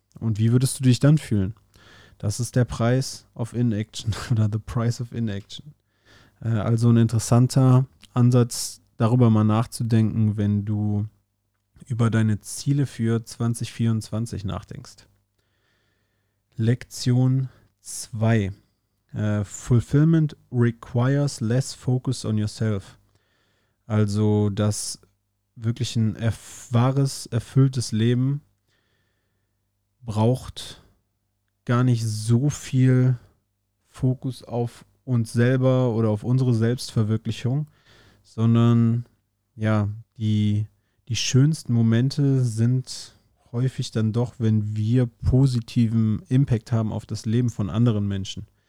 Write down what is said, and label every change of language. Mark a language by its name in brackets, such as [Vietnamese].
[German] Und wie würdest du dich dann fühlen? Das ist der Preis [English] of Inaction [German] oder [English] the price of Inaction. [German] Also ein interessanter Ansatz, darüber mal nachzudenken, wenn du über deine Ziele für 2024 nachdenkst. Lektion 2. [English] Fulfillment requires less focus on yourself. [German] Also, dass wirklich ein wahres, erfülltes Leben braucht gar nicht so viel Fokus auf uns selber oder auf unsere Selbstverwirklichung, sondern ja, die schönsten Momente sind häufig dann doch, wenn wir positiven Impact haben auf das Leben von anderen Menschen.